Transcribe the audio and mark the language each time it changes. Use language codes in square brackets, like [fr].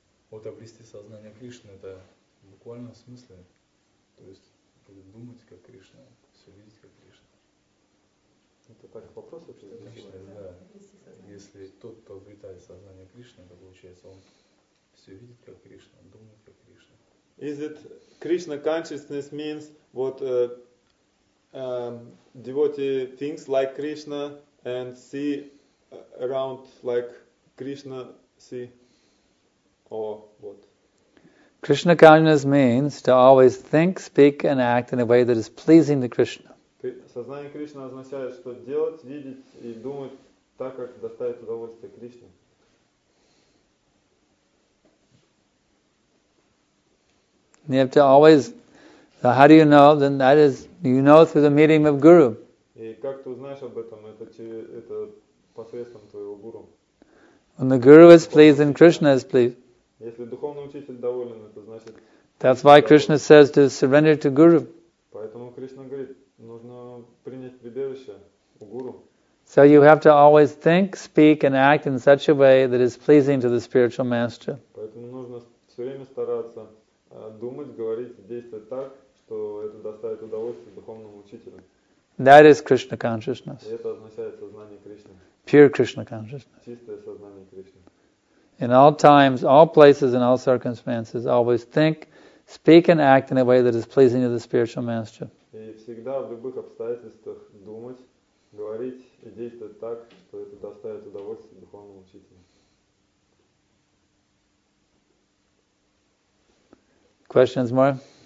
[ru] Вот обрести сознание Кришны, это буквально в смысле, то есть думать как Кришна, все видеть как Кришна. Это так вопрос вообще? Конечно, да. Если тот, кто обретает сознание Кришны, то получается он все видит как Кришна, думает как Кришна. [en] Is it Krishna consciousness means what devotee thinks like Krishna and see around like Krishna see or what? Krishna consciousness means to always think, speak and act in a way that is pleasing to Krishna. [ru] Сознание Кришна означает, что делать, видеть и думать так, как доставит удовольствие Кришне. [en] You have to always. So how do you know? Then that is, you know through the medium of Guru. [ru] И как ты узнаешь об этом? Это посредством твоего гуру. [en] When the Guru is pleased, then Krishna is pleased. [ru] Если духовный учитель доволен, это значит. [en] That's why Krishna says to surrender to Guru. [ru] Поэтому Кришна говорит, нужно принять прибежище у Гуру. [en] So you have to always think, speak, and act in such a way that is pleasing to the spiritual master. [ru] Поэтому нужно все время стараться. Думать, говорить, действовать так, что это доставит удовольствие духовному учителю. [en] That is Krishna consciousness. [ru] И это означает сознание Кришны. [en] Pure Krishna consciousness. [ru] Чистое сознание Кришны. [en] In all times, all places, and all circumstances, always think, speak, and act in a way that is pleasing to the spiritual master. [ru] И всегда в любых обстоятельствах думать, говорить и действовать так, что это доставит удовольствие духовному учителю. [en] Questions more?